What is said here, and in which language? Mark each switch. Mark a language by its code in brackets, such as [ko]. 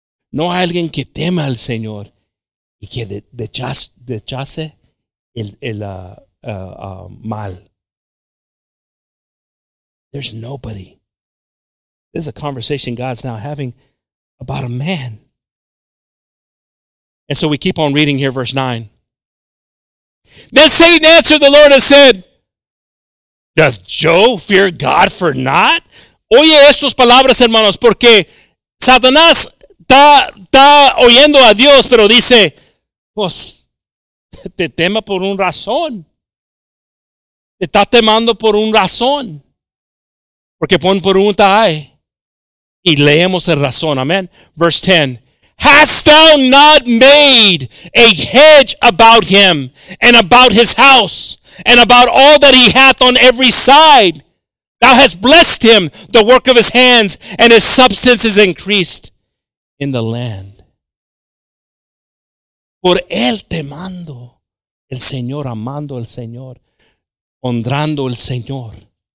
[es] No hay alguien que tema al Señor y que dechace el mal. [en] There's nobody. This is a conversation God's now having about a man. And so we keep on reading here, verse 9. Then Satan answered the Lord and said, doth Job fear God for naught? [es] Oye estas palabras, hermanos, porque Satanás está oyendo a Dios, pero dice, pues, te tema por un razón. Te está temando por un razón. Porque pon pregunta ahí. Y leemos el razón. Amén. [en] Verse 10. Hast thou not made a hedge about him and about his house and about all that he hath on every side? Thou hast blessed him, the work of his hands, and his substance is increased in the land. [es] Por él temando, el Señor, amando al Señor, honrando al Señor.